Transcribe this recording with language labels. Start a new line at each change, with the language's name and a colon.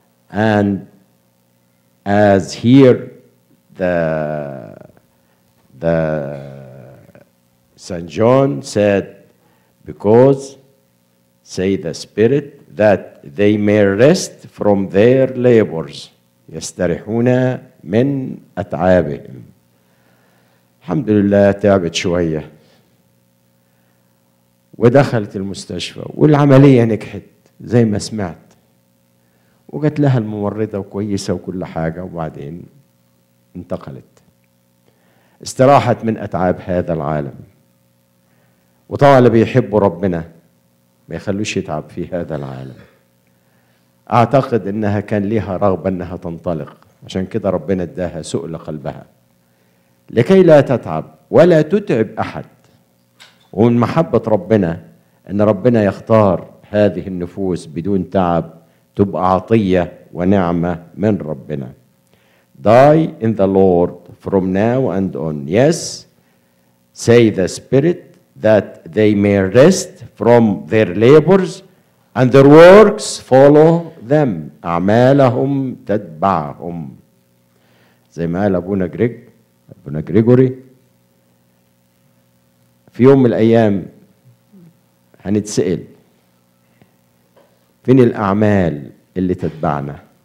English: And as here the St. John said, because, say the Spirit, that they may rest from their labors.
Arabic: يَسْتَرِحُونَ مِنْ أَتْعَابِهِمْ. الحمد لله تعبت شوية ودخلت المستشفى والعملية نجحت زي ما سمعت، وقلت لها الممرضة كويسة وكل حاجة، وبعدين انتقلت استراحت من أتعاب هذا العالم. وطبعا اللي بيحبوا ربنا ما يخلوش يتعب في هذا العالم. أعتقد أنها كان لها رغبة أنها تنطلق، عشان كده ربنا اداها سؤل قلبها لكي لا تتعب ولا تتعب أحد. ومن محبة ربنا أن ربنا يختار هذه النفوس بدون تعب تبقى عطية ونعمة من ربنا.
English: Die in the Lord from now and on. Yes, say the Spirit that they may rest from their labors and their works follow them.
Arabic: أعمالهم تتبعهم. زي ما قال أبونا جريجوري في يوم من الأيام هنتسأل فين الأعمال اللي تتبعنا.